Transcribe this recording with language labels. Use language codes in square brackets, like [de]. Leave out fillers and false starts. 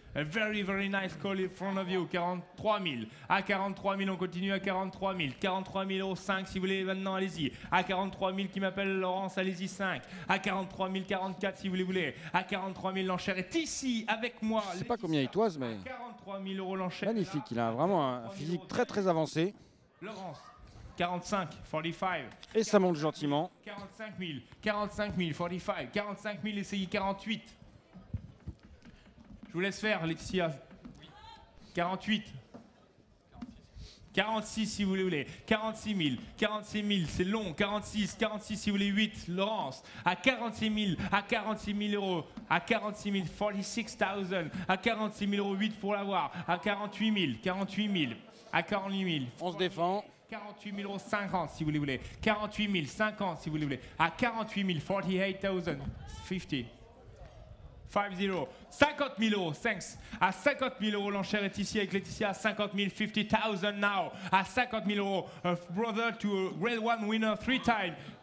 [en] A very, very nice call in front of you, 43 000. [fr] À 43 000, on continue à 43 000. 43 000 euros, 5, si vous voulez, maintenant, allez-y. À 43 000, qui m'appelle Laurence, allez-y, 5. À 43 000, 44, si vous les voulez. À 43 000, l'enchère est ici, avec moi. Je ne sais pas combien il toise, mais... À 43 000 euros, l'enchère. Magnifique, il a vraiment un physique très, très avancé. Laurence, 45, 45. Et ça monte gentiment. 45 000, 45 000, 45. 45 000, essayez 48. Je vous laisse faire, Laetitia. 48. 46, si vous voulez. 46 000. 46 000, c'est long. 46, 46, si vous voulez. 8, Laurence. À 46 000. À 46 000 euros. À 46 000. 46,000. À 46 000 euros. 8 pour l'avoir. À 48 000. 48 000. À 48 000. 48 000. On se défend. 48 000 euros, 50 si vous voulez. 48 000, 50 si vous voulez. À 48 000. 48,000. 50. 50, 50 000 euros, thanks. À 50 000 euros, l'enchère est ici avec Laetitia. À 50 000, [en] 50,000 now. [fr] À 50 000 euros, [en] a brother to a grade one winner three times.